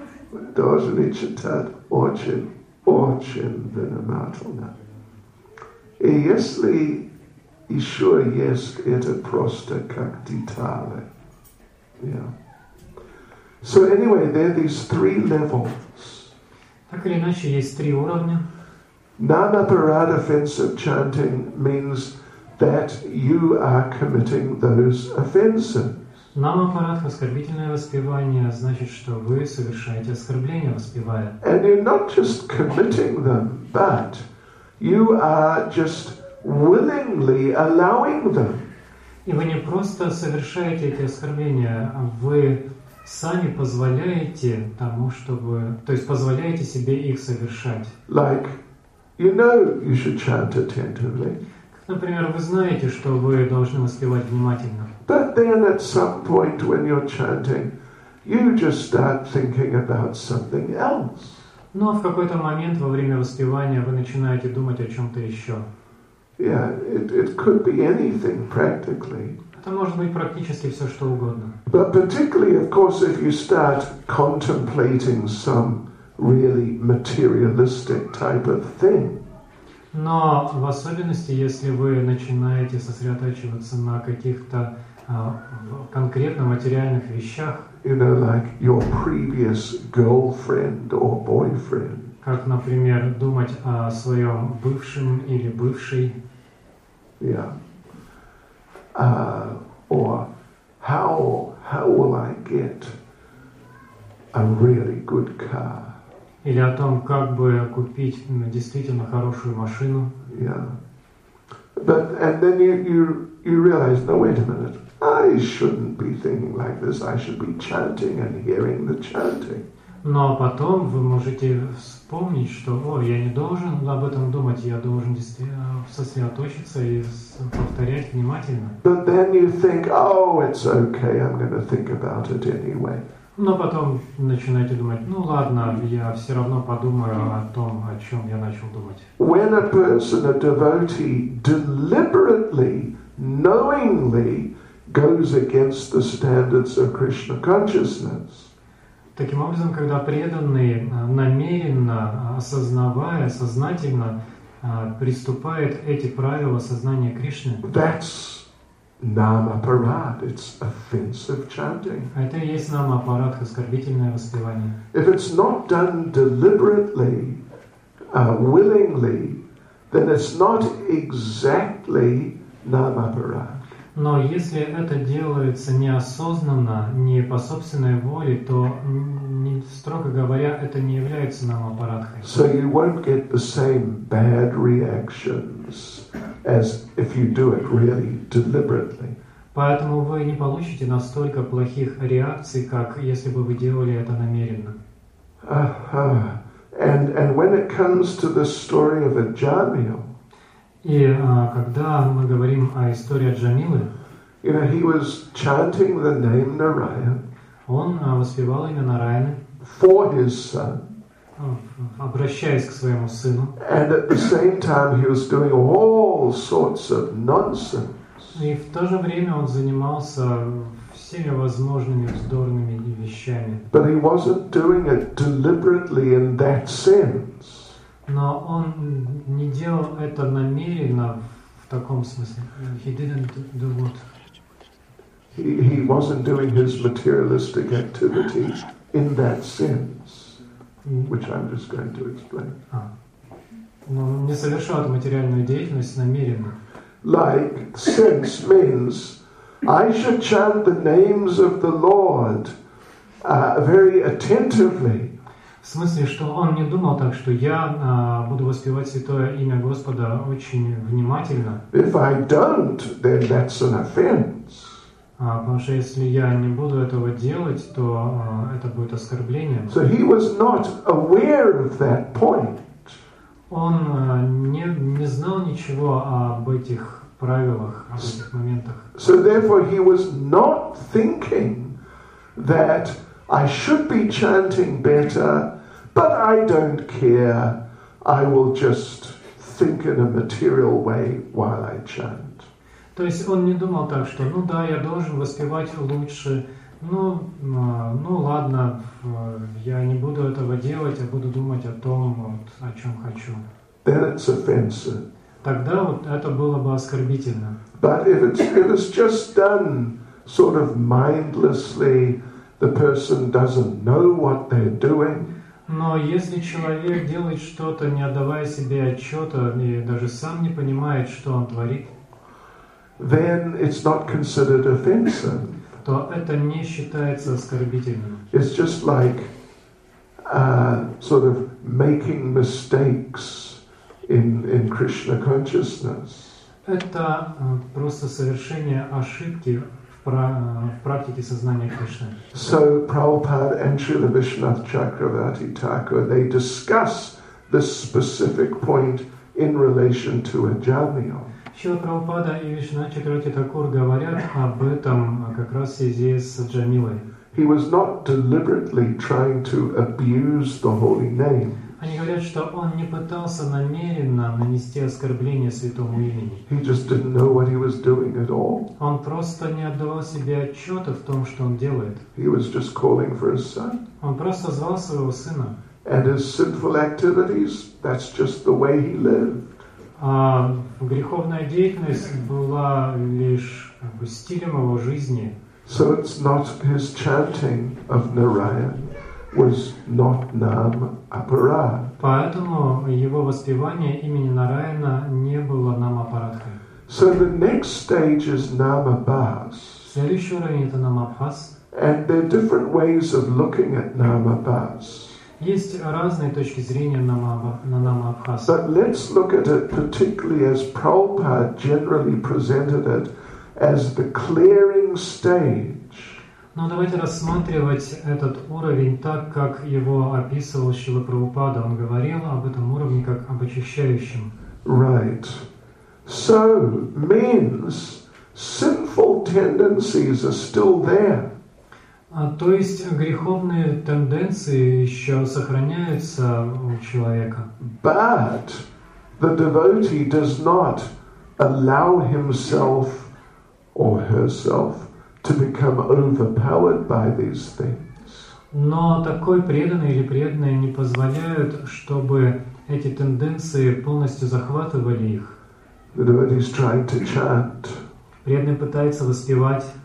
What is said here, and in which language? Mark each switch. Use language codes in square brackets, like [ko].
[ru] Вы должны читать очень внимательно. И если еще есть, это просто как детали. [en] Yeah. So anyway, there are these three levels. [ru] Так или иначе, есть три уровня. [en] Non-apparat offensive chanting means that you are committing those offenses. [ru] Non-apparat оскорбительное воспевание значит, что вы совершаете оскорбление, воспевая. [en] And you're not just committing them, but you are just willingly allowing them. [ru] И вы не просто совершаете эти оскорбления, а вы сами позволяете тому, чтобы... То есть позволяете себе их совершать. [en] Like... You know you should chant attentively. [ru] Например, вы знаете, что вы должны воспевать внимательно. [en] But then at some point when you're chanting, you just start thinking about something else. [ru] Но в какой-то момент во время воспевания вы начинаете думать о чем-то еще. [en] Yeah, it could be anything practically. [ru] Это может быть практически все, что угодно. [en] But particularly, of course, if you start contemplating some really materialistic type of thing. [ru] Но в особенности, если вы начинаете сосредотачиваться на каких-то конкретно материальных вещах, [en] you know, like your previous girlfriend or boyfriend. [ru] Как, например, думать о своем бывшем или бывшей. [en] Yeah. Or how will I get a really good car? [ru] Или о том, как бы купить действительно хорошую машину. [en] Yeah. But and then you realize, no, wait a minute, I shouldn't be thinking like this. I should be chanting and hearing the chanting. [ru] Но потом вы можете вспомнить, что, о, я не должен об этом думать, я должен действительно сосредоточиться и повторять внимательно. [en] But then you think, oh, it's okay. I'm going to think about it anyway. [ru] Но потом начинаете думать, ну ладно, я все равно подумаю о том, о чем я начал думать. [en] When a person, a devotee, deliberately, knowingly goes against the standards of Krishna consciousness. [ru] Таким образом, когда преданный намеренно, осознавая, сознательно приступает эти правила сознания Кришны. [en] That's Namaparad. It's offensive chanting. [ru] Это и есть намапарад, оскорбительное воспевание. [en] If it's not done deliberately, willingly, then it's not exactly namaparad. [ru] Но если это делается неосознанно, не по собственной воле, то, строго говоря, это не является намапарадхой. [en] So you won't get the same bad reactions as if you do it really deliberately. [ru] Поэтому вы не получите настолько плохих реакций, как если бы вы делали это намеренно. [en] And when it comes to the story of Аджамил, [ru] Когда мы говорим о истории Джамилы, [en] you know, he was chanting the name Narayan. [ru] Он воспевал имя Нараяны. [en] For his son. [ru] Обращаясь к своему сыну. [en] And at the same time, he was doing all sorts of nonsense. [ru] И в то же время он занимался всеми возможными вздорными вещами. [en] But he wasn't doing it deliberately in that sense. [ru] Но он не делал это намеренно в таком смысле. [en] He didn't do what. He wasn't doing his materialistic activity in that sense, which I'm just going to explain. [ru] Но он не совершал материальную деятельность намеренно. [en] Like sense means I should chant the names of the Lord very attentively. [ru] В смысле, что он не думал так, что я буду воспевать святое имя Господа очень внимательно. [en] If I don't, then that's an offense. [ru] Потому что если я не буду этого делать, то это будет оскорблением. [en] So he was not aware of that point. [ru] Он не знал ничего об этих правилах, об этих моментах. [en] So therefore he was not thinking that I should be chanting better. But I don't care. I will just think in a material way while I chant. [ru] То есть он не думал так, что, ну да, я должен воспевать лучше. Ну ладно, я не буду этого делать, я буду думать о том, вот, о чем хочу. [en] Then it's offensive. [ru] Тогда вот это было бы оскорбительно. [en] But if it's just done sort of mindlessly, the person doesn't know what they're doing. [ru] Но если человек делает что-то, не отдавая себе отчета, и даже сам не понимает, что он творит, [en] then it's not considered offensive. [ru] То это не считается оскорбительным. [en] It's just like sort of making mistakes in Krishna consciousness. [ru] Это просто совершение ошибки в практике сознания Кришны. [en] So Prabhupada and Srila Vishwanath Chakravarti Thakur, they discuss this specific point in relation to Аджамил. [ru] Srila Prabhupada и Vishwanath Chakravarti Thakur говорят об этом как раз в связи с Аджамилой. [en] He was not deliberately trying to abuse the holy name. [ru] Они говорят, что он не пытался намеренно нанести оскорбление святому имени. [en] He just didn't know what he was doing at all. [ru] Он просто не отдавал себе отчета в том, что он делает. [en] He was just calling for his son. [ru] Он просто звал своего сына. [en] And his sinful activities, that's just the way he lived. [ru] А греховная деятельность была лишь как бы стилем его жизни. [en] So it's not his chanting of Narayan was not nam aparad. [ru] Поэтому его воспевание имени Нараяна не было нам апарадхой. [en] So the next stage is namabhas. [ru] Следующий уровень это намабхас. [en] And there are different ways of looking at namabhas. [ru] Есть разные точки зрения на намабхас. [en] But let's look at it particularly as Prabhupada generally presented it as the clearing stage. [ru] Но давайте рассматривать этот уровень так, как его описывал Шрила Прабхупада. Он говорил об этом уровне как об очищающем. [en] Right. So means sinful tendencies are still there. [ru] А то есть греховные тенденции еще сохраняются у человека. [en] But the devotee does not allow himself or herself to become overpowered by these things. [ru] Но такой преданный или преданная не позволяют, чтобы эти тенденции полностью захватывали их. [en] The devotee is trying to chant. [ru] Преданный пытается воспевать.